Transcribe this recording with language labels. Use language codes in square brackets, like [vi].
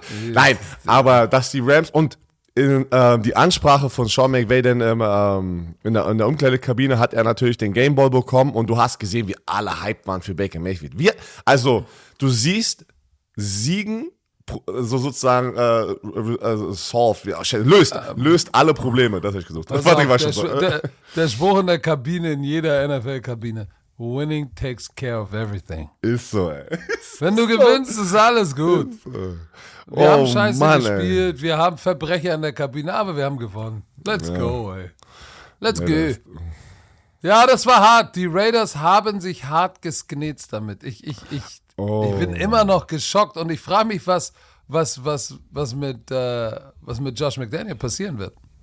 [de] Nein, aber dass die Rams und die Ansprache von Sean McVay denn in der Umkleidekabine hat er natürlich den Gameball bekommen und du hast gesehen, wie alle Hype waren für Baker Mayfield. Du siehst Siegen löst alle Probleme, das habe ich gesucht. Der Spruch in der Kabine, in jeder NFL-Kabine. [en] Winning takes care of everything. [de] Ist so, ey. Wenn du gewinnst, ist alles gut. Wir haben Scheiße gespielt, wir haben Verbrecher in der Kabine, aber wir haben gewonnen. [en] Let's go. [de] Ja, das war hart. Die Raiders haben sich hart gesknetzt damit. Ich bin immer noch geschockt und ich frage mich, was mit Josh McDaniel passieren wird.